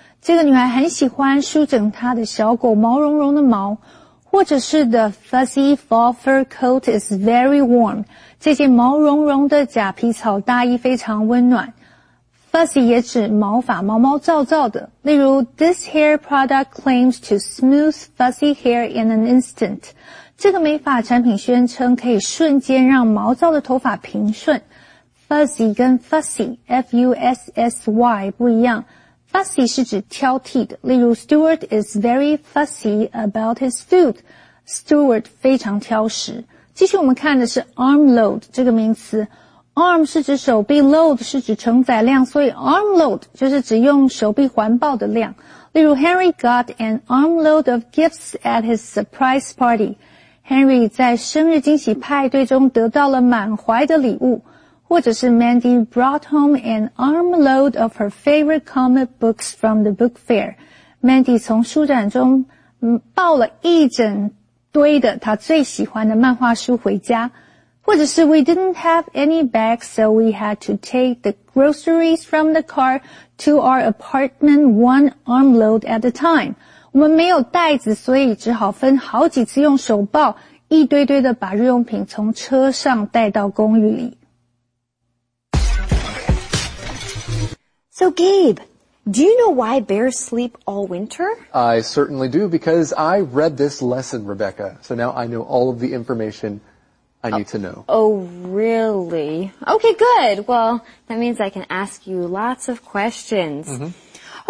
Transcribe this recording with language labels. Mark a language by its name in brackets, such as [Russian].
[Chinese] 这个女孩很喜欢梳整她的小狗毛茸茸的毛。或者是 [English] ,the fuzzy fall fur coat is very warm. [Chinese] 这件毛茸茸的假皮草大衣非常温暖。 [English] Fuzzy [Chinese] 也指毛发毛毛躁躁的。例如 [English] ,this hair product claims to smooth fuzzy hair in an instant. [Chinese] 这个美发产品宣称可以瞬间让毛躁的头发平顺。 Fuzzy 跟 fussy, F-U-S-S-Y 不一样。 Fussy 是指挑剔的。例如 [English] ,Stuart is very fussy about his food. [Chinese] Stuart 非常挑食。继续我们看的是 armload 这个名词。 Arm 是指手臂 ,load 是指承载量，所以 armload 就是指用手臂环抱的量。例如 [English] ,Henry got an armload of gifts at his surprise party. [Chinese] Henry 在生日惊喜派对中得到了满怀的礼物。或者是 [English] Mandy brought home an armload of her favorite comic books from the book fair. [Chinese] Mandy 从书展中抱了一整堆的她最喜欢的漫画书回家。或者是 [English] We didn't have any bags, so we had to take the groceries from the car to our apartment one armload at a time. [Chinese] 我们没有袋子，所以只好分好几次用手抱，一堆堆的把日用品从车上带到公寓里。 [English] So Gabe, do you know why bears sleep all winter? I certainly do, because I read this lesson, Rebecca. So now I know all of the information I need to know. Oh, really? Okay, good. Well, that means I can ask you lots of questions. Mm-hmm.